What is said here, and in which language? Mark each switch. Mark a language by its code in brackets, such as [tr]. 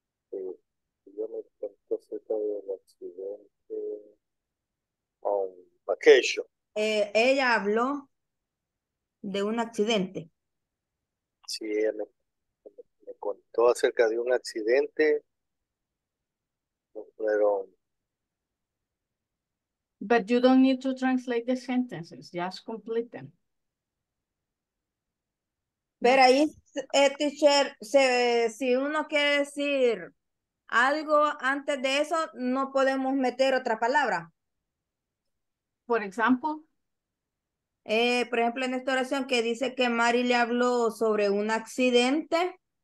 [es] Yo me cuento acerca del accidente [en] on vacation. [es] Ella habló de un accidente. Sí, ella me contó acerca de un accidente. Pero. [en] But you don't need to translate the sentences, just complete them. [es] Pero ahí, teacher, si uno quiere decir algo antes de eso, no podemos meter otra palabra. Por ejemplo. Por ejemplo, en esta oración que dice que Mary le habló sobre un accidente.